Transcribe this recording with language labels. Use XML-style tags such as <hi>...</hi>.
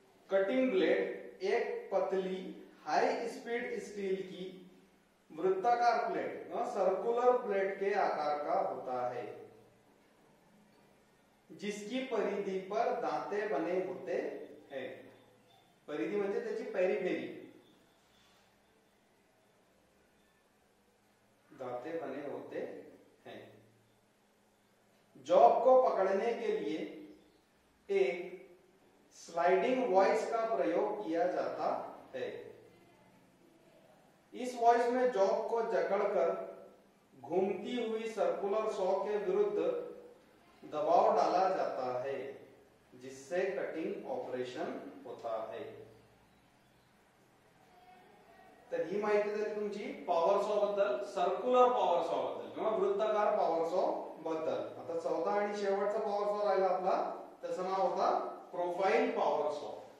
<hi>Cutting blade एक पतली high speed steel की वृत्ताकार प्लेट सर्कुलर प्लेट के आकार का होता है जिसकी परिधि पर दांते बने होते हैं।</hi> <mr>परिधि म्हणजे त्याची पेरिफेरी,</mr> <hi>दांते बने होते हैं। जॉब को पकड़ने के लिए एक स्लाइडिंग वॉइस का प्रयोग किया जाता है। इस वॉइस में जॉब को जकड़कर घूमती हुई सर्कुलर सॉ के विरुद्ध दबाव डाला जाता है जिससे कटिंग ऑपरेशन होता है।</hi> <mr>तर ही माहिती झाली तुमची पॉवर सॉ बद्दल, सर्कुलर पॉवर सॉ बद्दल किंवा वृत्ताकार पॉवर सॉ बद्दल। आता 14 आणि शेवटचा पॉवर सॉ राहिला आपला, त्याचं नाव होता प्रोफाइल पॉवर सॉ।</mr>